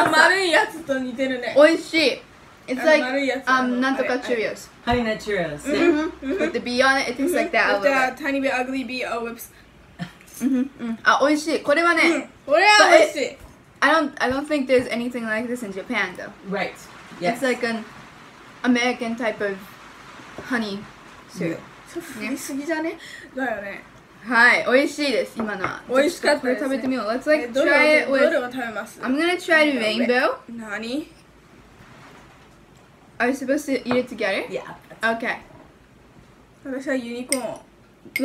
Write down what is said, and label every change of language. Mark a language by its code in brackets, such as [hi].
[ja] あの丸いやつと似てるね。美味しい。 [en] It's like [ja] なんとかチューリオス。ハニーナチューリオス。 [en] With the bee on it, it tastes like that. With the tiny bit ugly bee. Oh, whoops. [ja] あ、美味しい。これはね。これは美味しい。 [en] I don't think there's anything like this in Japan though. Right. Yes. It's like an American type of honey cereal. [ja] そう、振りすぎじゃね？だよね。はい、美味しいです、今のは。美味しかったです、ね。食べてみよう。 [en] Let's like try it with... [ja] どれを食べます？ [en] I'm gonna try the rainbow. [ja] 何？ [en] Are you supposed to eat it together? Yeah. Okay. [ja] 私はユニコーン。